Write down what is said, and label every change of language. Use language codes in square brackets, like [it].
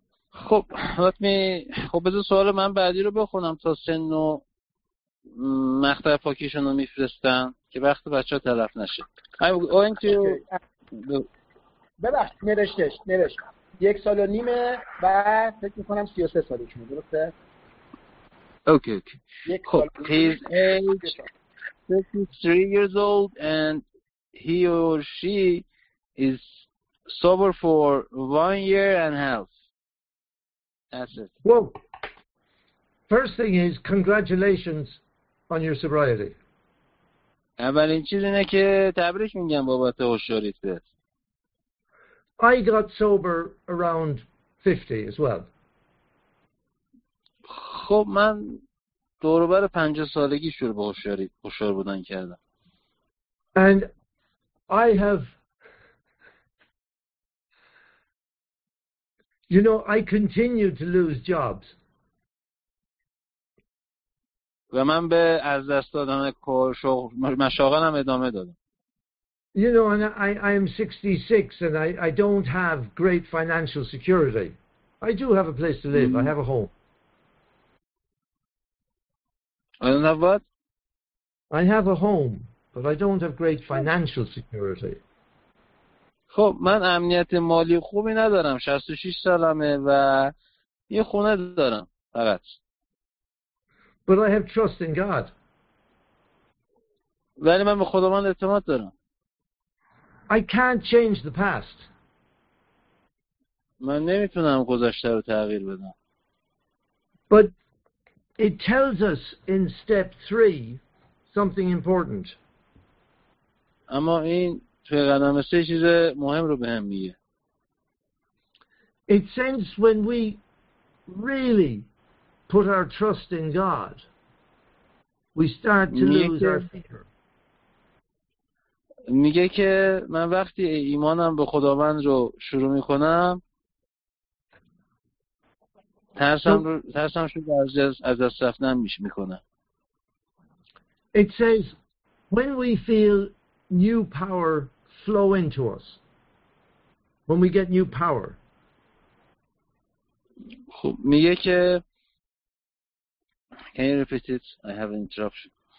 [fa] خب بذار سوال من بعدی رو بخونم تا سن و مقطع پاکیشون رو میفرستن که وقت بچه ها تلف نشه. [en] I'm going to... [fa] ببخش نوشتش. نوشت. یک سال و نیمه و فکر میکنم 33 سالشونه. درسته؟ [en] Okay. His age 53 years old, and he or she is sober for 1 year and a half. That's it. Well, first thing is congratulations on your sobriety. [fa] اولین چیز اینه که تبریک میگم بابت هوشیاریت. [en] I got sober around 50 as well. [fa] خب من دوربر 50 سالگی شروع به هوشیار بودن کردم. [en] And I have, you know, I continue to lose jobs. [fa] و من به از دست دادن کار شغل مشاغلم ادامه دادم. [en] You know, and I am 66 and I don't have great financial security. I do have a place to live. I have a home. I don't have what? I have a home, but I don't have great financial security. [fa] خب من امنیت مالی خوبی ندارم. 66 سالمه و یه خونه دارم فقط. [en] But I have trust in God. [fa] ولی من به خداوند اعتماد دارم. [en] I can't change the past. [fa] من نمیتونم گذشته رو تغییر بدم. [en] But it tells us in step 3 something important. [fa] اما این توی قدم 3 چیز مهم رو بهم میگه. [en] It says when we really put our trust in God, we start to lose our fear. [fa] میگه که من وقتی ایمانم به خداوند رو شروع میکنم ترسم شد از دست رفتن میکنه. [en] It says when we feel new power flow into us, when we get new power. [fa] خب میگه که [en] can you repeat it? I have an interruption.